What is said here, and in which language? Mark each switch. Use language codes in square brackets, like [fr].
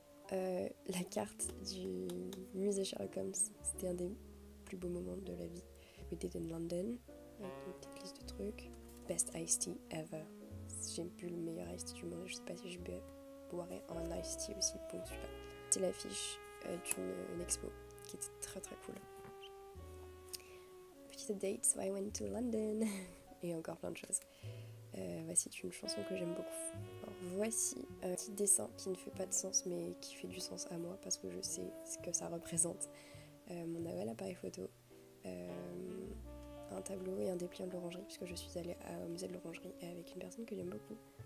[fr] La carte du musée Sherlock Holmes, c'était un des plus beaux moments de la vie. [en] We did in London, [fr] avec une petite liste de trucs. [en] Best iced tea ever. [fr] J'aime plus le meilleur iced tea du monde, je sais pas si je boirais un iced tea aussi bon que celui-là. C'est l'affiche d'une expo qui était très très cool. Petite date, [en] so I went to London. [fr] Et encore plein de choses. Voici une chanson que j'aime beaucoup. Alors, voici un petit dessin qui ne fait pas de sens mais qui fait du sens à moi parce que je sais ce que ça représente. Mon nouvel appareil photo. Un tableau et un dépliant de l'orangerie puisque je suis allée au musée de l'orangerie avec une personne que j'aime beaucoup.